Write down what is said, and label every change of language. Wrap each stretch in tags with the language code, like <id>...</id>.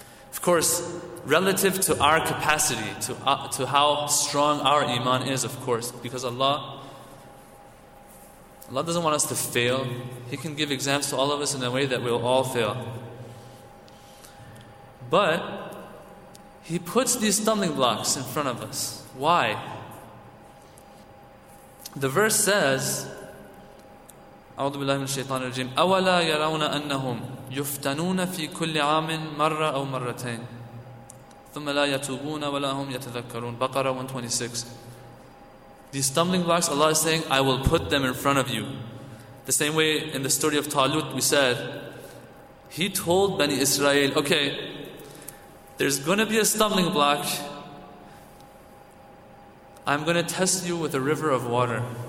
<en>Of course, relative to our capacity, to how strong our iman is, of course, because Allah doesn't want us to fail. He can give exams to all of us in a way that we'll all fail. But He puts these stumbling blocks in front of us. Why? The verse says,</en> <ar>أعوذ بالله من الشيطان الرجيم أولا يرون أنهم يفتنون في كل عام مرة أو مرتين ثم لا يتوبون ولا هم يتذكرون.</ar> <en>Baqarah 126. These stumbling blocks, Allah is saying, I will put them in front of you. The same way in the story of Talut, we said, He told Bani Israel, okay, there's going to be a stumbling block. I'm going to test you with a river of water.</en>